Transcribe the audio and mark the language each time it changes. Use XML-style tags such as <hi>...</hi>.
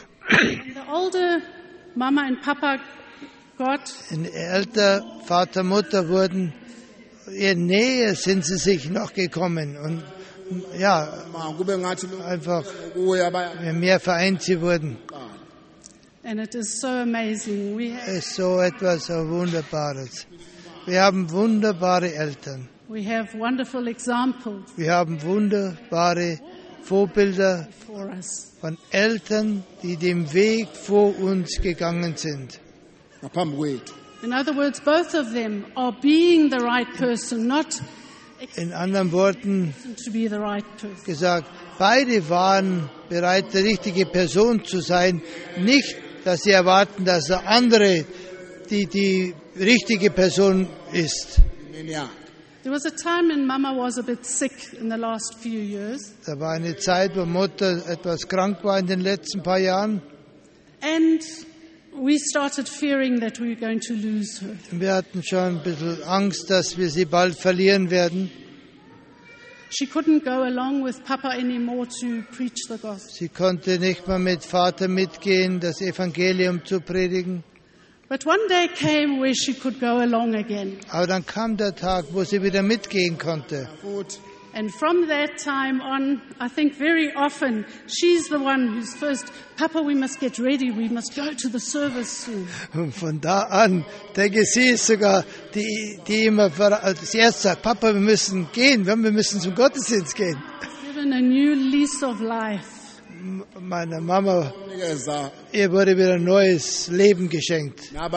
<en>The older Mama and Papa got,</en> <de>in älter Vater und Mutter wurden, in Nähe sind sie sich noch gekommen und ja, einfach mehr vereint sie wurden.</de> <en>And it is so amazing. We</en> <de>have, es ist so etwas so Wunderbares. Wir haben wunderbare Eltern.</de> <en>We have wonderful examples.</en> <de>Wir haben wunderbare Vorbilder von Eltern, die den Weg vor uns gegangen sind.</de> <en>In other words, both of them are being the right person, not</en> <de>in anderen Worten</de> <en>to be the right person.</en> <de>Gesagt, beide waren bereit, die richtige Person zu sein, nicht, dass sie erwarten, dass der andere die richtige Person ist.</de> <en>There was a time when Mama was a bit sick in the last few years.</en> <de>Da war eine Zeit, wo Mutter etwas krank war in den letzten paar Jahren.</de> <en>And we started fearing that we were going to lose her.</en> <de>Wir hatten schon ein bisschen Angst, dass wir sie bald verlieren werden.</de> <en>She couldn't go along with Papa anymore to preach the gospel.</en> <de>Sie konnte nicht mehr mit Vater mitgehen, das Evangelium zu predigen.</de> <en>But one day came where she could go along again.</en> <de>Aber dann kam der Tag, wo sie wieder mitgehen konnte.</de> <en>And from that time on, I think very often, she's the one who's first, Papa, we must get ready, we must go to the service soon.</en> <de>Und von da an, denke ich, sie ist sogar die immer als erstes sagt, Papa, wir müssen gehen, wir müssen zum Gottesdienst gehen.</de> <en>Get given a new lease of life.</en> <de>Meine Mama, ihr wurde wieder ein neues Leben geschenkt.</de>